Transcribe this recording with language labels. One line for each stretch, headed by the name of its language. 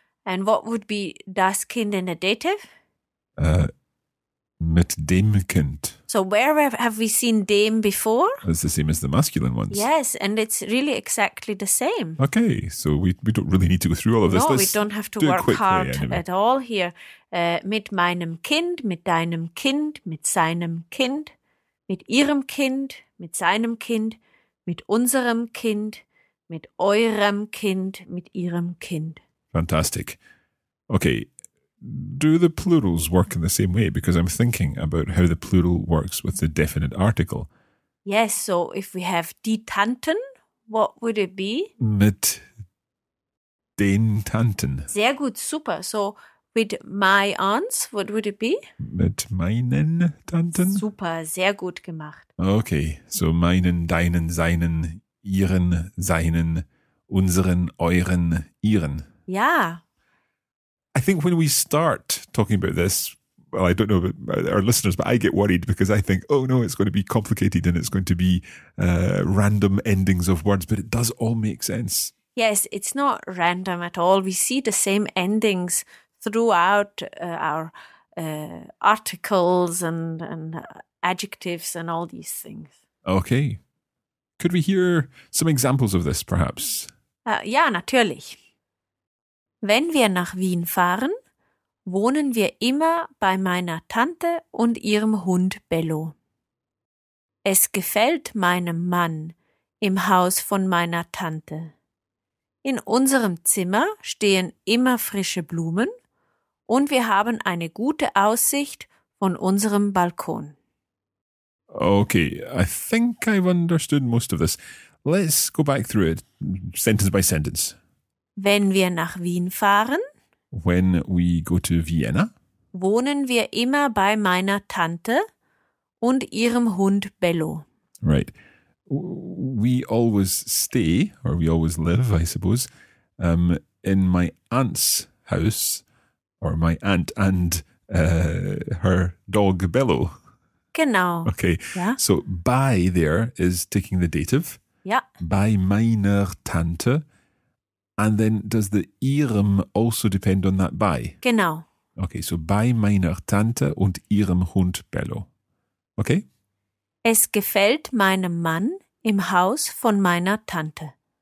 English: And what would be das Kind in the dative?
German: Mit dem Kind.
English: So where have we seen dem before? It's the same as the masculine ones. Yes, and it's really exactly the same. Okay, so we don't really need to go through all of this. No, let's we don't have to do work hard anyway. At all here.
German: Mit meinem Kind, mit deinem Kind, mit seinem Kind, mit ihrem Kind, mit seinem Kind, mit unserem Kind, mit eurem Kind, mit ihrem Kind.
English: Fantastic. Okay, do the plurals work in the same way? Because I'm thinking about how the plural works with the definite article. Yes, so if we have die Tanten, what would it be?
German: Mit den Tanten. Sehr gut, super.
English: So with my aunts, what would it be?
German: Mit meinen Tanten. Super, sehr gut gemacht.
English: Okay, so
German: meinen, deinen, seinen, ihren, seinen, unseren, euren, ihren. Ja.
English: I think when we start talking about this, well, I don't know about our listeners, but I get worried because I think, oh no, it's going to be complicated and it's going to be random endings of words, but it does all make sense. Yes, it's not random at all. We see the same endings throughout our articles and adjectives and all these things. Okay. Could we hear some examples of this, perhaps?
German: Ja, natürlich. Wenn wir nach Wien fahren, wohnen wir immer bei meiner Tante und ihrem Hund Bello. Es gefällt meinem Mann im Haus von meiner Tante. In unserem Zimmer stehen immer frische Blumen und wir haben eine gute Aussicht von unserem Balkon.
English: Okay, I think I've understood most of this. Let's go back through it, sentence by sentence.
German: Wenn wir nach Wien fahren,
English: when we go to Vienna,
German: wohnen wir immer bei meiner Tante und ihrem Hund Bello.
English: Right. We always stay, or we always live, I suppose, in my aunt's house, or my aunt and her dog Bello.
German: Genau.
English: Okay, yeah. So by there is taking the dative. Yeah.
German: By meiner Tante.
English: And then does the ihrem also depend on that by?
German: Genau.
English: Okay, so
German: by meiner Tante und ihrem Hund Bello.
English: Okay?
German: Es gefällt meinem Mann im Haus von meiner Tante.